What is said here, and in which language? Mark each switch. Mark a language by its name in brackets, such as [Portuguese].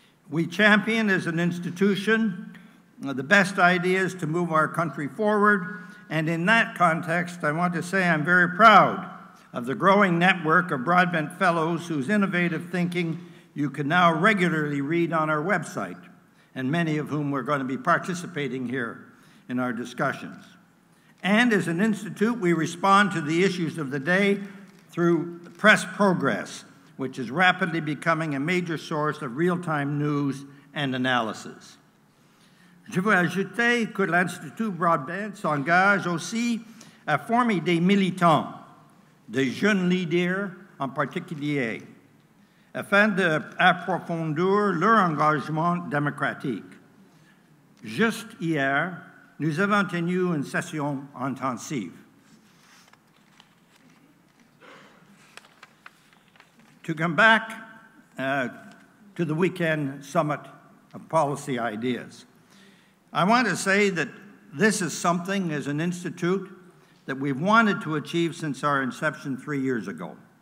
[English] We champion as an institution the best ideas to move our country forward, and in that context, I want to say I'm very proud of the growing network of Broadbent Fellows whose innovative thinking you can now regularly read on our website, and many of whom are going to be participating here in our discussions. And as an institute, we respond to the issues of the day through Press Progress, which is rapidly becoming a major source of real-time news and analysis. [French] Je veux ajouter que l'Institut Broadbent s'engage aussi à former des militants, des jeunes leaders en particulier. afin d'approfondir leur engagement démocratique. Juste hier, nous avons tenu une session intensive. [English] To come back to the weekend summit of policy ideas, I want to say that this is something, as an institute, that we've wanted to achieve since our inception 3 years ago.